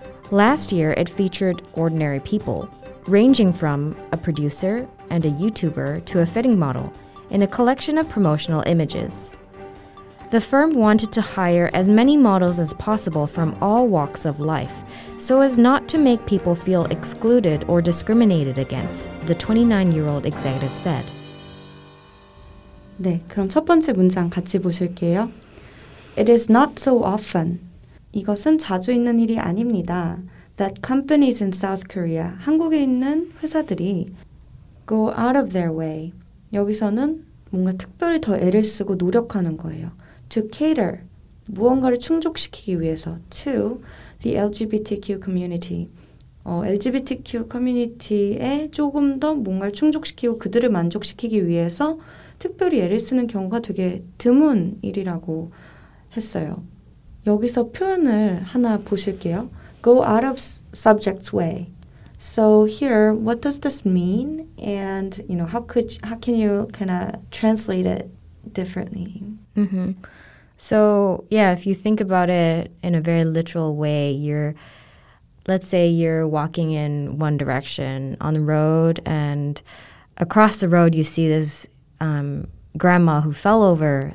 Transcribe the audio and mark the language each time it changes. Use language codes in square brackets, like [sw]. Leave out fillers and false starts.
[en] Last year, it featured ordinary people, ranging from a producer and a YouTuber to a fitting model, in a collection of promotional images. The firm wanted to hire as many models as possible from all walks of life, so as not to make people feel excluded or discriminated against, the 29-year-old executive said. [ko] 네, 그럼 첫 번째 문장 같이 보실게요. [en] It is not so often. [ko] 이것은 자주 있는 일이 아닙니다. [en] That companies in South Korea, [ko] 한국에 있는 회사들이 [en] go out of their way. [ko] 여기서는 뭔가 특별히 더 애를 쓰고 노력하는 거예요. [en] To cater, [ko] 무언가를 충족시키기 위해서. [en] To the LGBTQ community. [ko] LGBTQ community에 조금 더 뭔가를 충족시키고 그들을 만족시키기 위해서 특별히 애를 쓰는 경우가 되게 드문 일이라고 했어요. 여기서 표현을 하나 보실게요. [en] Go out of subject's way. So here, what does this mean? And, you know, how can you kind of translate it differently? Mm-hmm. So, yeah, if you think about it in a very literal way, you're let's say you're walking in one direction on the road, and across the road you see this grandma who fell over.